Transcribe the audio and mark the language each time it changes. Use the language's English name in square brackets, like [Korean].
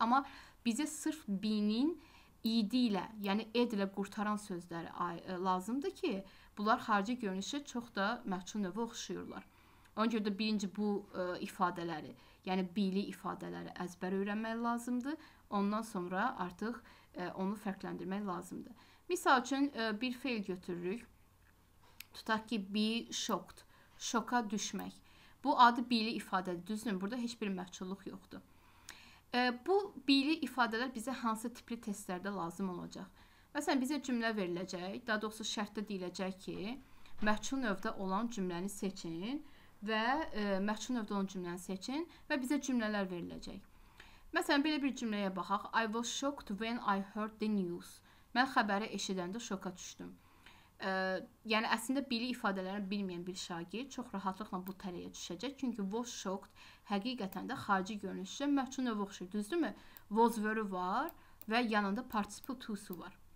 [Azerbaijani] Amma bizə sırf be-nin ed ilə, yəni ed ilə qurtaran sözləri lazımdır ki, bunlar xarici görünüşə çox da məhçul növə oxşuyurlar. Ona görə də birinci bu ifadələri, yəni bili ifadələri əzbər öyrənmək lazımdır. Ondan sonra artıq onu fərqləndirmək lazımdır. Misal üçün, bir feil götürürük. Tutaq ki, be shocked, şoka düşmək. Bu adı bili ifadədir, düzdür, burada heç bir məhçulluq yoxdur. Bu bili ifadələr bizə hansı tipli testlərdə lazım olacaq? Məsələn, bizə cümlə veriləcək, daha doğrusu şərtdə deyiləcək ki, məhçul növdə olan cümləni seçin. Və məhçul növdə olan cümləni seçin və bizə cümlələr veriləcək. Məsələn, belə bir cümləyə baxaq. [English] I was shocked when I heard the news. [Azerbaijani] Mən xəbəri eşidəndə şoka düşdüm. Yəni, əslində, bili ifadələrini bilməyən bir şagird çox rahatlıqla bu tələyə düşəcək. Çünki was shocked həqiqətən də xarici görünüşdə məhçul növ oxşur. Düzdürmü? Was verb var və yanında participle to-su var.